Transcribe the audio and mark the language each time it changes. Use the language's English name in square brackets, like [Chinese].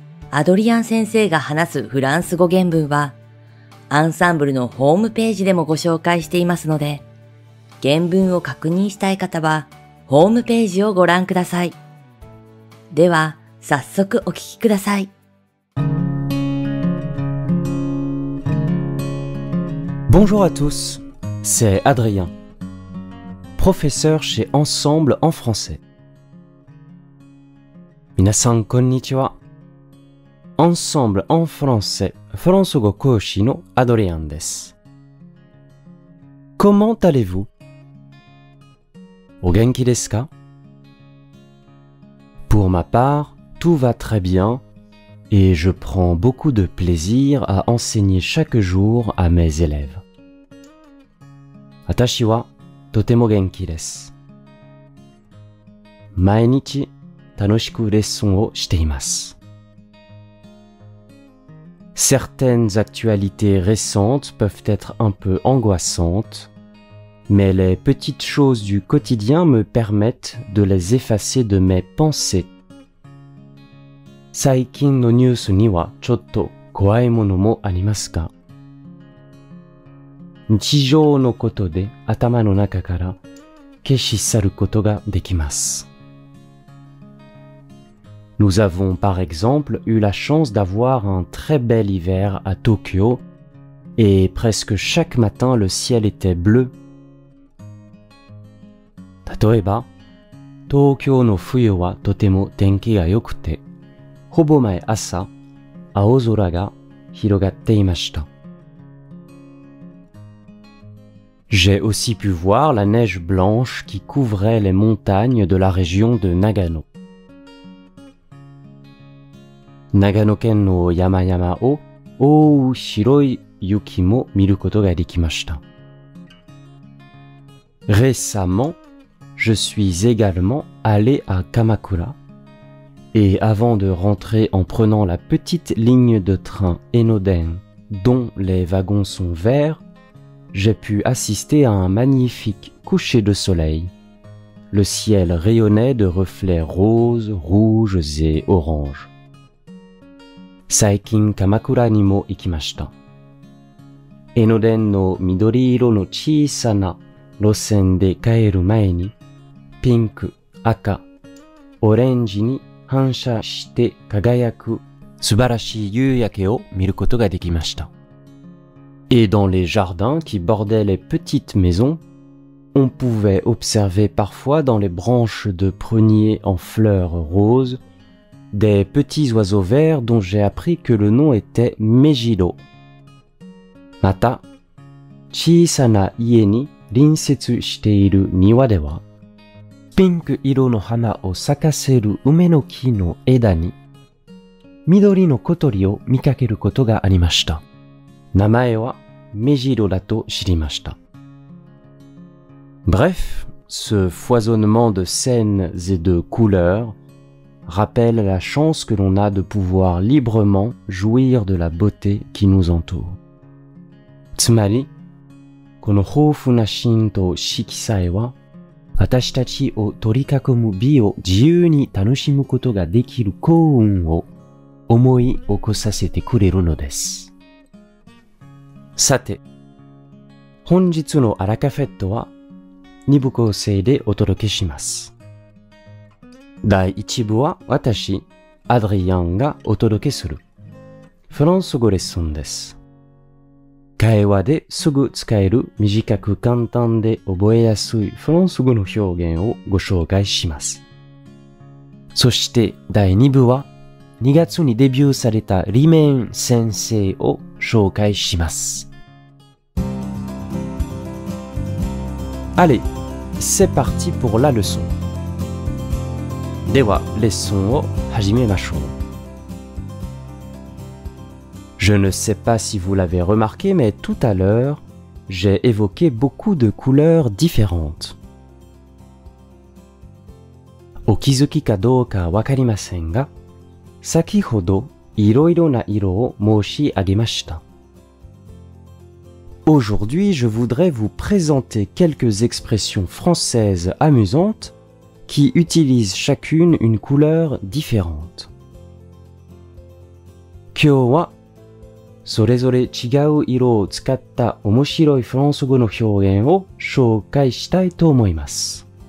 [Japanese] アドリアン先生が話すフランス語原文はアンサンブルのホームページでもご紹介していますので、原文を確認したい方はホームページをご覧ください。では、早速お聞きください。 [French] Bonjour à tous, c'est Adrien, professeur chez Ensemble en français. [Japanese] 皆さん、こんにちは。 Ensemble en français, フランス語講師のアドリアンです。 [French] Comment allez-vous? [Japanese] お元気ですか? [French] Pour ma part, tout va très bien et je prends beaucoup de plaisir à enseigner chaque jour à mes élèves. [Japanese] 私はとても元気です。毎日楽しくレッスンをしています。 [French] Certaines actualités récentes peuvent être un peu angoissantesMais les petites choses du quotidien me permettent de les effacer de mes pensées. [Japanese] 最近のニュースにはちょっと怖いものもありますか? 日常のことで頭の中から消し去ることができます。 [French] Nous avons par exemple eu la chance d'avoir un très bel hiver à Tokyo et presque chaque matin le ciel était bleu. [Japanese] 例えば、東京の冬はとても天気が良くて、ほぼ毎朝、青空が広がっていました。 [French] J'ai aussi pu voir la neige blanche qui couvrait les montagnes de la région de Nagano. [Japanese] 長野県の山々を覆う白い雪も見ることができました。 [French] Récemment,Je suis également allé à Kamakura et avant de rentrer en prenant la petite ligne de train Enoden dont les wagons sont verts, j'ai pu assister à un magnifique coucher de soleil. Le ciel rayonnait de reflets roses, rouges et oranges. [Japanese] 最近、Kamakura にも行きました。Enoden の緑色の小さな路線で帰る前にピンク、赤、オレンジに反射して輝く素晴らしい夕焼けを見ることができました。 [French] Et dans les jardins qui bordaient les petites maisons, on pouvait observer parfois dans les branches de pruniers en fleurs roses des petits oiseaux verts dont j'ai appris que le nom était Mejido. [Japanese] また、小さな家に隣接している庭では、ピンク色の花を咲かせる梅の木の枝に緑の小鳥を見かけることがありました。名前はメジロだと知りました。 [French] Bref, ce foisonnement de scènes et de couleurs rappelle la chance que l'on a de pouvoir librement jouir de la beauté qui nous entoure. [Japanese] つまり、この豊富なシーンと色彩は私たちを取り囲む美を自由に楽しむことができる幸運を思い起こさせてくれるのです。さて、本日のアラカフェットは2部構成でお届けします。第1部は私、アドリアンがお届けするフランス語レッスンです。会話ですぐ使える短く簡単で覚えやすいフランス語の表現をご紹介します。そして第2部は2月にデビューされたリメン先生を紹介します。 [French] Allez, c'est parti pour la leçon. [Japanese] ではレッスンを始めましょう。 [French] Je ne sais pas si vous l'avez remarqué, mais tout à l'heure, j'ai évoqué beaucoup de couleurs différentes. [Japanese] お気づきかどうかわかりませんが、先ほどいろいろな色を申し上げました。 [French] Aujourd'hui, je voudrais vous présenter quelques expressions françaises amusantes qui utilisent chacune une couleur différente. [Japanese] 今日はそれぞれ違う色を使った面白いフランス語の表現を紹介したいと思います。